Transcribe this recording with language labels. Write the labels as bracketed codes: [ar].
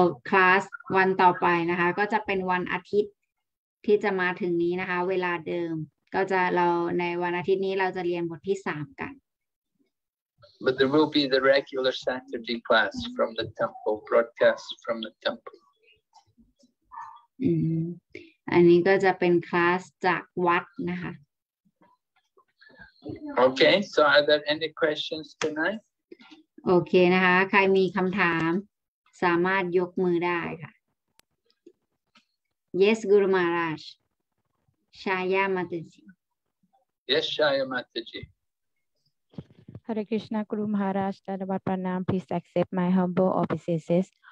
[th] Class วันต่อไปนะคะก็จะเป็นวันอาทิตย์ที่จะมาถึงนี้นะคะเวลาเดิมก็จะเราในวันอาทิตย์นี้เราจะเรียนบทที่สามกัน. [en] But there will be the regular Saturday class from the temple, broadcast from the temple. [th] อันนี้ก็จะเป็นคลาสจากวัดนะคะ. [en] Okay, so are there any questions tonight? Okay, นะคะ. [th] ใครมีคำถาม สามารถยกมือได้ค่ะ. [en] Yes, Guru Maharaj. Shaya Mataji. Yes, Shaya Mataji. Hare Krishna, Guru Maharaj, Dhanabad Pranam. Please accept my humble obeisances.